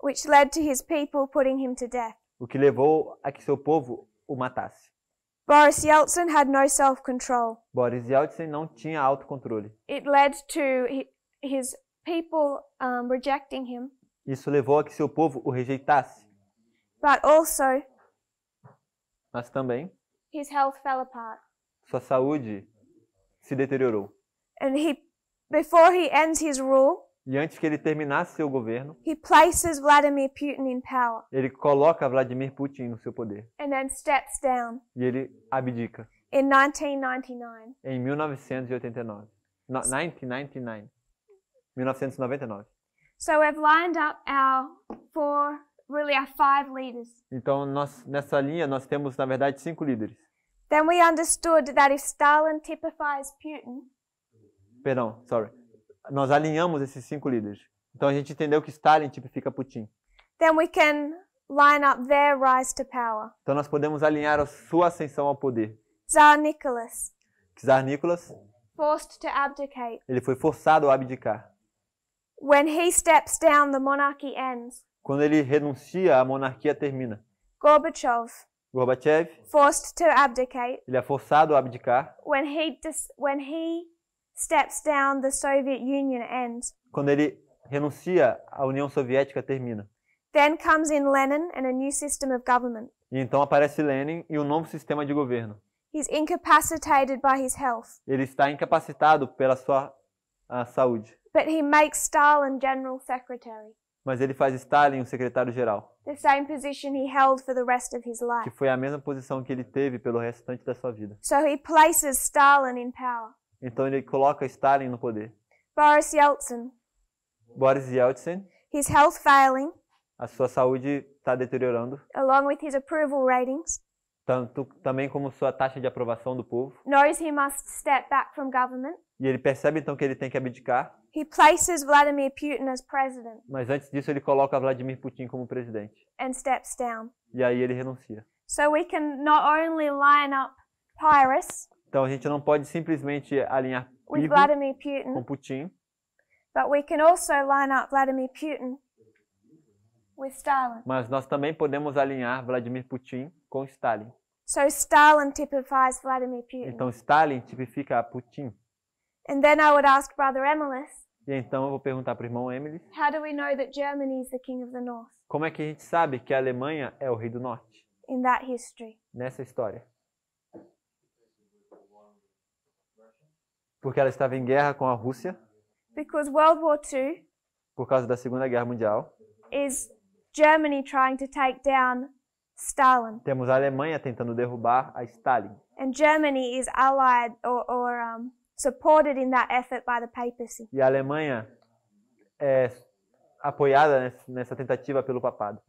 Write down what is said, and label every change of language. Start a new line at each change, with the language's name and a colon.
English: Which led to his people putting him to death.
Portuguese: O que levou a que seu povo o matasse.
English: Boris Yeltsin had no self-control.
Portuguese: Boris Yeltsin não tinha autocontrole.
English: It led to his people rejecting him.
Portuguese: Isso levou a que seu povo o rejeitasse.
English: But also,
Portuguese: mas também,
English: his health fell apart.
Portuguese: Sua saúde se deteriorou.
English: And he, before he ends his rule,
Portuguese: e antes que ele terminasse seu governo,
English: he places Vladimir Putin in power.
Portuguese: Ele coloca Vladimir Putin no seu poder.
English: And then steps down.
Portuguese: E ele abdica.
English: In 1999.
Portuguese: Em 1999. 1999.
English: So we've lined up our four, really our five leaders.
Portuguese: Então nós nessa linha nós temos na verdade cinco líderes.
English: Then we understood that if Stalin typifies Putin.
Portuguese: Perdão,
English: sorry.
Portuguese: Nós alinhamos esses cinco líderes. Então a gente entendeu que Stalin tipifica Putin.
English: Then we can line up their rise to power.
Portuguese: Então nós podemos alinhar a sua ascensão ao poder.
English: Tsar Nicholas.
Portuguese: Tsar Nicholas.
English: Forced to abdicate.
Portuguese: Ele foi forçado a abdicar.
English: When he steps down, the monarchy ends.
Portuguese: Quando ele renuncia, a monarquia termina.
English: Gorbachev.
Portuguese: Gorbachev.
English: Forced to abdicate.
Portuguese: Ele é forçado a abdicar.
English: When he steps down, the Soviet Union ends.
Portuguese: Quando ele renuncia, a União Soviética termina.
English: Then comes in Lenin and a new system of government.
Portuguese: E então aparece Lenin e um novo sistema de governo.
English: He's incapacitated by his health.
Portuguese: Ele está incapacitado pela sua saúde.
English: But he makes Stalin general secretary.
Portuguese: Mas ele faz Stalin o secretário-geral.
English: The same position he held for the rest of his life.
Portuguese: Que foi a mesma posição que ele teve pelo restante da sua vida.
English: So he places Stalin in power.
Portuguese: Então ele coloca Stalin no poder.
English: Boris Yeltsin.
Portuguese: Boris Yeltsin.
English: His health failing.
Portuguese: A sua saúde está deteriorando.
English: Along with his approval ratings.
Portuguese: Tanto também como sua taxa de aprovação do povo.
English: Knows he must step back from government.
Portuguese: E ele percebe então que ele tem que abdicar.
English: He places Vladimir Putin as president.
Portuguese: Mas antes disso ele coloca Vladimir Putin como presidente.
English: And steps down.
Portuguese: E aí ele renuncia.
English: So we can not only line up Pyrrhus.
Portuguese: Então a gente não pode simplesmente alinhar Putin com Putin.
English: But we can also line up Vladimir Putin with Stalin.
Portuguese: Mas nós também podemos alinhar Vladimir Putin com Stalin.
English: So Stalin typifies Vladimir Putin.
Portuguese: Então Stalin tipifica Putin.
English: And then I would ask Brother Emilis.
Portuguese: E então eu vou perguntar para o irmão Emilis.
English: How do we know that Germany is the king of the north?
Portuguese: Como é que a gente sabe que a Alemanha é o rei do norte?
English: In that history.
Portuguese: Nessa história. Porque ela estava em guerra com a Rússia.
English: Because World War II.
Portuguese: Por causa da Segunda Guerra Mundial.
English: Is Germany trying to take down Stalin?
Portuguese: Temos a Alemanha tentando derrubar a Stalin.
English: And Germany is allied or supported in that effort by the papacy.
Portuguese: E a Alemanha é apoiada nessa tentativa pelo papado.